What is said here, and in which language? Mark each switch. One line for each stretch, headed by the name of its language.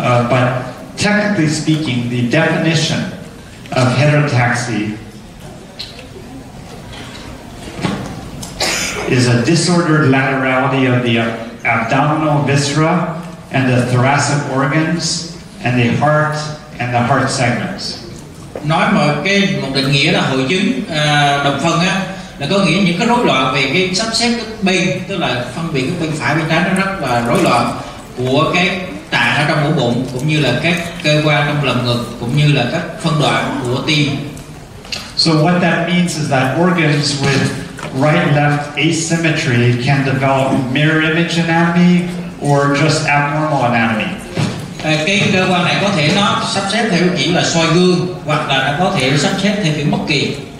English: But technically speaking, the definition of heterotaxy is a disordered laterality of the abdominal viscera and the thoracic organs and the heart and the heart segments.
Vietnamese: Nói một định nghĩa là hội chứng đồng phân á, là có nghĩa những cái rối loạn về cái sắp xếp các bên, tức là phân biệt các bên phải bên trái, nó rất là rối loạn của cái tạng ở trong ổ bụng, cũng như là các cơ quan trong lồng ngực, cũng như là các phân đoạn của tim.
English: So what that means is that organs with right-left asymmetry can develop mirror image anatomy or just abnormal anatomy.
Vietnamese: Cái cơ quan này có thể nó sắp xếp theo kiểu là soi gương, hoặc là nó có thể sắp xếp theo kiểu bất kỳ.